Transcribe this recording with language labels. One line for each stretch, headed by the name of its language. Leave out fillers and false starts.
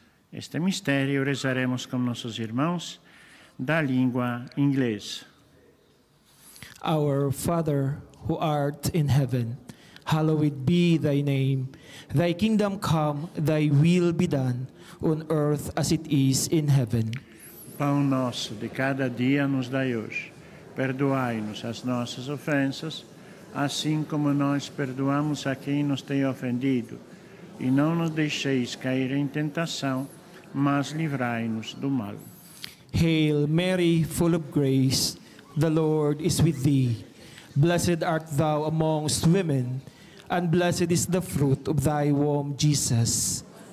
Portuguese: Este mistério rezaremo con nossos irmãos da língua inglesa.
English: Our Father, who art in heaven, hallowed be thy name. Thy kingdom come, thy will be done, on earth as it is in heaven.
Portuguese: Pão nosso de cada dia nos dai hoje. Perdoai-nos as nossas ofensas, assim como nós perdoamos a quem nos tem ofendido. E não nos deixeis cair em tentação, mas livrai-nos do mal.
English: Hail Mary, full of grace, the Lord is with thee. Blessed art thou amongst women, and blessed is the fruit of thy womb, Jesus.